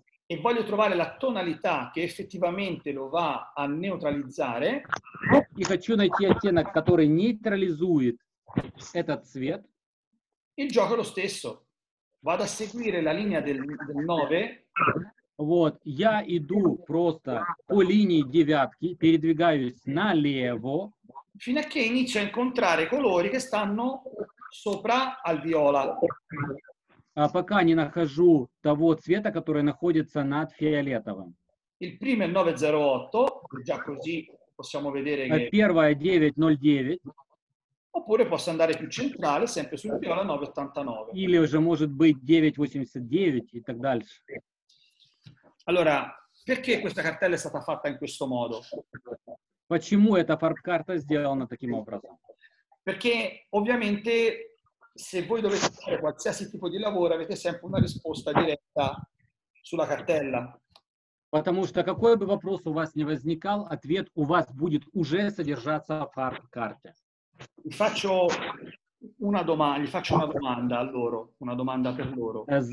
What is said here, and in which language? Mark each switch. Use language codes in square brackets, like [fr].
[it] E voglio trovare la tonalità che effettivamente lo va a neutralizzare. [ru] И хочу найти оттенок, который нейтрализует этот цвет. [it] Il gioco è lo stesso. Vado a seguire la linea del 9. [ru] Вот, я иду просто по линии девятки, передвигаюсь налево. [it] Fino a che inizio a incontrare colori che stanno sopra al viola. [ru] Пока не нахожу того цвета, который находится над фиолетовым. [it] Il primo è 908, già così possiamo vedere che. [ru] Первое 909. [it] Oppure posso andare più centrale, sempre sul viola 989. [ru] Или уже может быть 989 и так дальше. [it] Allora, perché questa cartella è stata fatta in questo modo? [ru] Почему эта фарб-карта сделана таким образом? [it] Perché ovviamente se voi dovete fare qualsiasi tipo di lavoro, avete sempre una risposta diretta sulla cartella. [ru] Потому что какой бы вопрос у вас не возникал, ответ у вас будет уже содержаться в фарб-карте. [it] Gli faccio una domanda a loro, una domanda per loro.